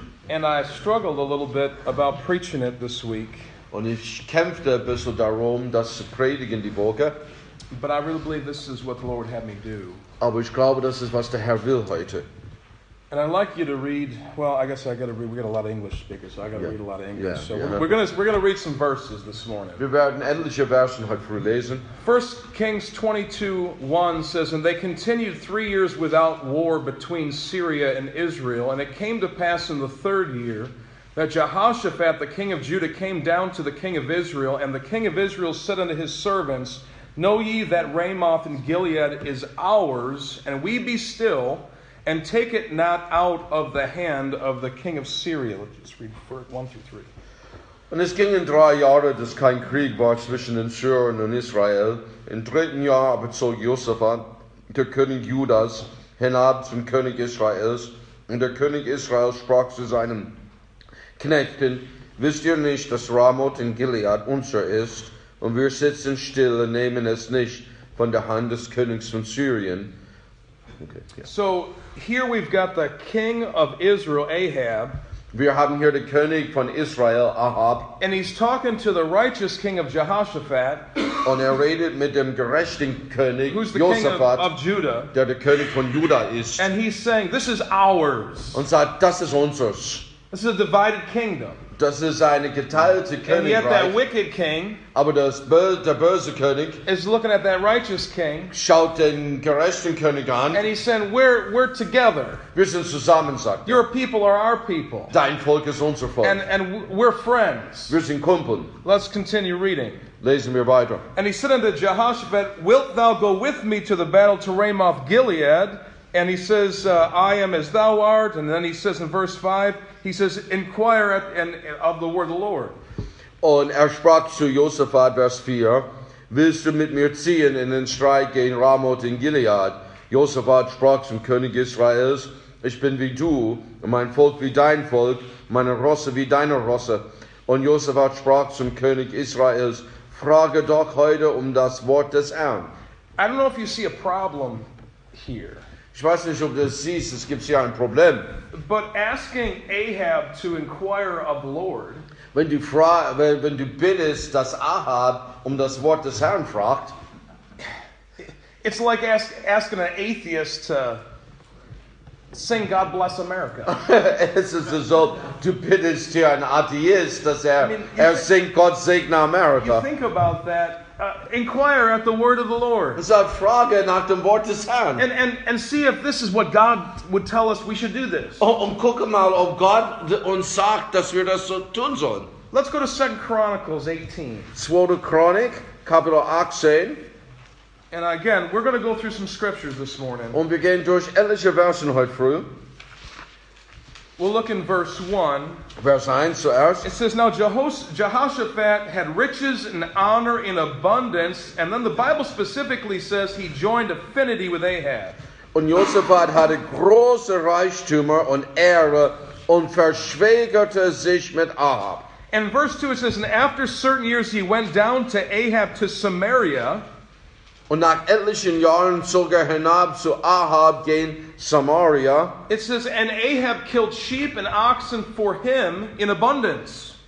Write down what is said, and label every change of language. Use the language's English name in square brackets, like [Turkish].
[English] And I struggled a little bit about preaching it this week. [German] Und ich kämpfte ein bisschen darum, das zu predigen die Woche. [English] But I really believe this is what the Lord had me do. [German] Aber ich glaube, das ist was der Herr will heute. [English] And I'd like you to read. Well, I guess I got to read. We got a lot of English speakers, so I got to read a lot of English. Yeah. We're gonna read some verses this morning. [German] Wir werden etliche Versen heute früh lesen. [English] 1 Kings 22:1 says, "And they continued 3 years without war between Syria and Israel, and it came to pass in the 3rd year." That Jehoshaphat, the king of Judah, came down to the king of Israel, and the king of Israel said unto his servants, "Know ye that Ramoth in Gilead is ours, and we be still, and take it not out of the hand of the king of Syria." Let's just read 1 through 3. [German] Und es gingen 3 Jahre, dass kein Krieg war zwischen den Syrern und Israel. Im 3. Jahr aber zog Josaphat, der König Judas, hinab zum König Israels, und der König Israel sprach zu seinem Knechten, wisst ihr nicht, dass Ramoth in Gilead unser ist, und wir sitzen still und nehmen es nicht von der Hand des Königs von Syrien? [English] Okay, yeah. So, here we've got the king of Israel, Ahab. [German] Wir haben hier den König von Israel, Ahab. [English] And he's talking to the righteous king of Jehoshaphat. [German] Und redet mit dem gerechten König, Josaphat, [English] king of Judah. [German] Der König von Judah ist. [English] And he's saying, this is ours. [German] Und sagt, das ist unseres. [English] This is a divided kingdom. [German] Das ist eine geteilte Königreich. [English] And yet that wicked king, [German] aber der böse König, [English] is looking at that righteous king, [German] schaut den gerechten König an, [English] and he's saying, we're together. [German] Wir sind zusammen, sagt er. [English] Your people are our people. [German] Dein Volk ist unser Volk. [English] And we're friends. [German] Wir sind Kumpeln. [English] Let's continue reading. [German] Lesen wir weiter. [English] And he said unto Jehoshaphat, wilt thou go with me to the battle to Ramoth Gilead? And he says, I am as thou art. And then he says in verse 5, he says, inquire at, and of the word of the Lord. [German] Und sprach zu Josaphat, Vers 4, willst du mit mir ziehen in den Streit gegen Ramoth in Gilead? Josaphat sprach zum König Israels, ich bin wie du, mein Volk wie dein Volk, meine Rosse wie deine Rosse. Und Josaphat sprach zum König Israels, frage doch heute das Wort des Herrn. [English] I don't know if you see a problem here. [German] Ich weiß nicht, ob du siehst, es gibt hier ein Problem. [English] But asking Ahab to inquire of the Lord, [German] wenn du bittest, dass Ahab das Wort des Herrn fragt, [English] it's like asking an atheist to sing God Bless America. [German] Es ist so, du bittest hier einen Atheist, dass singt Gott segne Amerika. [English] You think about that. Inquire at the word of the Lord. [German] So, frage nach dem Wort des Herrn. [English] And see if this is what God would tell us we should do this. [German] Und guck mal, ob Gott uns sagt, dass wir das so tun sollen. [English] Let's go to 2 Chronicles 18. [German] 2 Chronik, Kapitel 18. [English] And again, we're going to go through some scriptures this morning. [German] Und wir gehen durch etliche Versen heute früh. [English] We'll look in verse 1. [German] Verse 1 zuerst. [English] It says, now Jehoshaphat had riches and honor in abundance. And then the Bible specifically says he joined affinity with Ahab. [German] Und Jehoshaphat hatte große Reichtümer und Ehre und verschwägerte sich mit Ahab. [English] And verse 2 it says, and after certain years he went down to Ahab to Samaria. [German] Und nach etlichen Jahren zog hinab zu Ahab gen Samaria. [English] It says, and Ahab killed sheep and oxen for him in abundance.